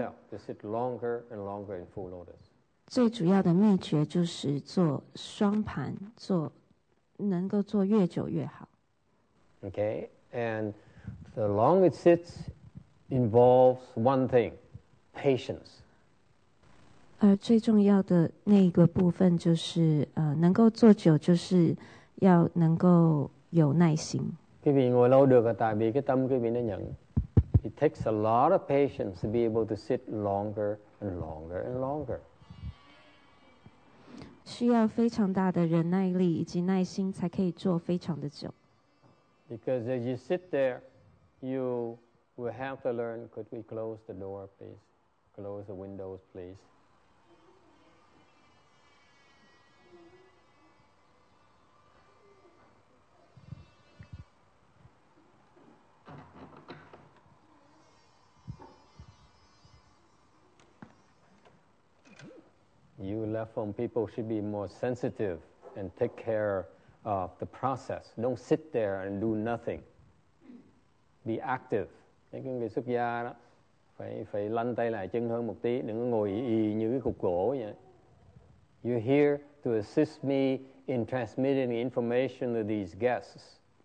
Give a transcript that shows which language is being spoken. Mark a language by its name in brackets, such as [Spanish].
[English] to sit longer and longer in full lotus. [Chinese] 最主要的秘诀就是做双盘，做能够做越久越好。 [English] Okay, and the long it sits involves one thing, patience. [Chinese] 而最重要的那一个部分就是，能够做久就是要能够有耐心。佢哋我老掉个大髀，佢担佢边啲人。 [English] It takes a lot of patience to be able to sit longer and longer and longer. [Chinese] 需要非常大的忍耐力以及耐心，才可以做非常的久。 [English] Because as you sit there, you will have to learn, could we close the door, please? Close the windows, please? You left home people should be more sensitive and take care of the process. Don't sit there and do nothing. Be active. [Vietnamese] Cái người xuất gia đó phải lăn tay lại chân hơn một tí, đừng có ngồi y như cái cục gỗ vậy. [English] You're here to assist me in transmitting the information to these guests.